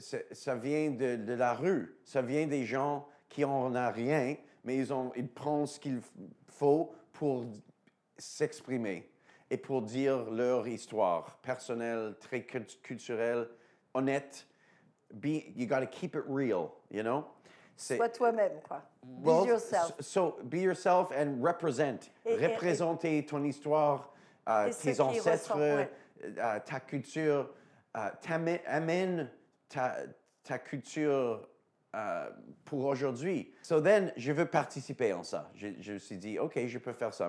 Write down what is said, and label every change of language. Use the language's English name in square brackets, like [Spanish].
[French] Ça vient de la rue. Ça vient des gens qui n'en ont rien. Mais ils prennent ce qu'il faut pour s'exprimer et pour dire leur histoire personnelle, très culturelle, honnête. [English] You gotta keep it real, you know? [French] Sois toi-même, quoi. [English] Be yourself. Be yourself and represent. [French] Représenter ton histoire, tes ancêtres, ta culture. Amène ta culture... pour aujourd'hui. [English] So then, [French] je veux participer en ça. Je me suis dit, OK, je peux faire ça.